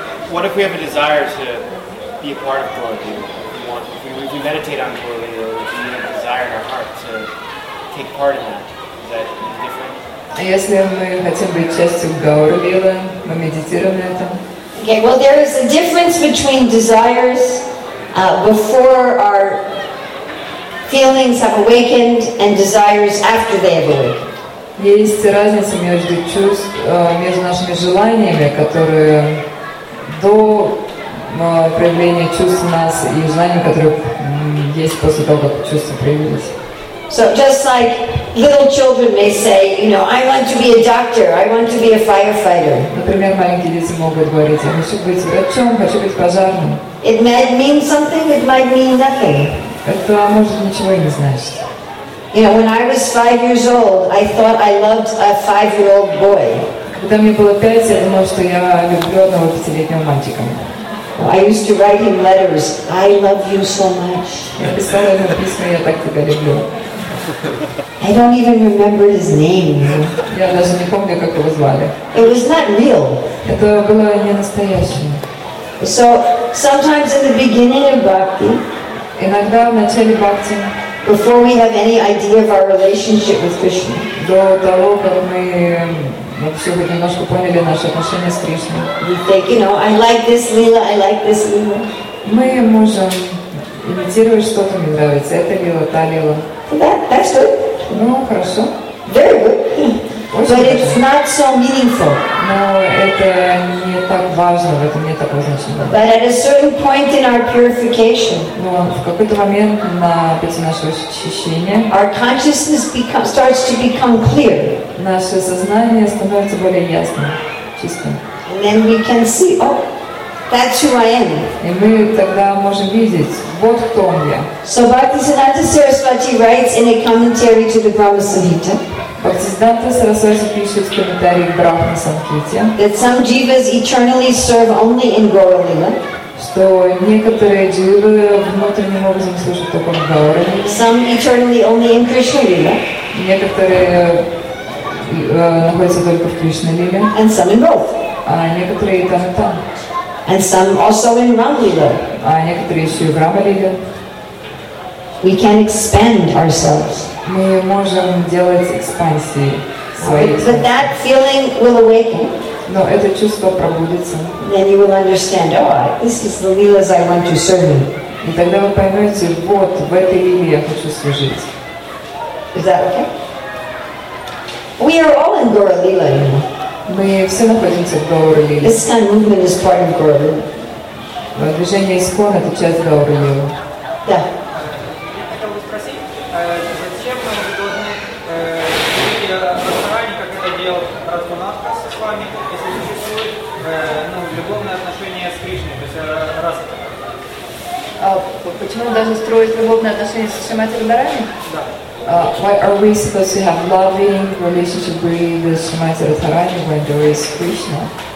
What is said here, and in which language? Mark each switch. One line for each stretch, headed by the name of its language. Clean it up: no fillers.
English: What if we have a desire to be be a part of Kula Deva. If we meditate on Kula Deva, we need a desire in our heart to take part in that. Is that different?
Russian: Если мы хотим быть частью Гауру Вилы, мы медитируем на этом.
English: Okay, well, there is a difference between desires before our feelings have awakened and desires after they have awakened.
Russian: Есть разница между между нашими желаниями, которые до проявления чувств нас, и желаниями, которые есть после того, как чувства проявились.
English: So just like little children may say, you know, I want to be a doctor, I want to be a firefighter.
Russian: Например, маленькие дети могут говорить, я хочу быть врачом, хочу быть пожарным.
English: It might mean something, it might mean nothing.
Russian: Это может ничего не значить.
English: You know, when I was 5 years old, I thought I loved a 5-year-old boy.
Russian: Когда мне было 5, я думала, что я люблю одного 5-летнего мальчика.
English: I used to write him letters. I love you so much. I don't even remember his name.
Russian: Я даже не помню, как его звали.
English: It was not real.
Russian: Это было не настоящее.
English: So sometimes in the beginning of bhakti,
Russian: иногда в начале бхакти,
English: before we have any idea of our relationship with Krishna,
Russian: до того, как мы вообще хоть немножко поняли наши отношения с Кришной.
English: We think, you know, I like this lila, I like this lila.
Russian: Мы можем имитировать что-то, мне нравится. Это лила, та лила.
English: That's good.
Russian: Ну, хорошо.
English: Very good.
Russian: Очень
English: But
Russian: хорошо.
English: It's not so meaningful.
Russian: Но это не так важно, в этом нет такого значения.
English: But at a certain point in our purification,
Russian: но в какой-то момент на пути нашего очищения,
English: our consciousness starts to become clear.
Russian: Наше сознание становится более ясным, чистым.
English: And then we can see, oh, that's who I am.
Russian: И мы тогда можем видеть, вот кто он я.
English: So Bhaktisiddhanta Saraswati writes in a commentary to the Brahma Samhita.
Russian: Bhaktisiddhanta Saraswati пишет в комментарии к Брахма Самхите.
English: That some jivas eternally serve only in Gaura Lila.
Russian: Что некоторые дживы внутренним образом служат только в Гауре.
English: Some eternally only in Krishna Lila.
Russian: Некоторые находятся только в Кришна Лиле.
English: And some in both.
Russian: А некоторые там и там.
English: And some also in Ramlila.
Russian: А некоторые еще в Рамлиле.
English: We can expand ourselves.
Russian: Мы можем делать экспансии своей.
English: But that feeling will awaken.
Russian: Но это чувство пробудится.
English: Then you will understand, oh, this is the Lilas I want to serve in.
Russian: И тогда вы поймете, вот в этой Лиле я хочу служить.
English: Is that okay? We are all in Gaura Lila, you know.
Russian: Мы все находимся в Гауре Лиле.
English: This kind of movement is part of Gaura Lila.
Russian: Движение Искон — это часть Гауре Лилы. Да. Я хотел бы спросить, зачем мы должны жить Радхарани, как это делал Радхунатха с вами, если существует любовное отношение с Кришной, то есть раз. А почему даже строить любовное отношение с Шримати Радхарани? Да.
English: Why are we supposed to have loving relationship with Srimati Radharani when there is Krishna?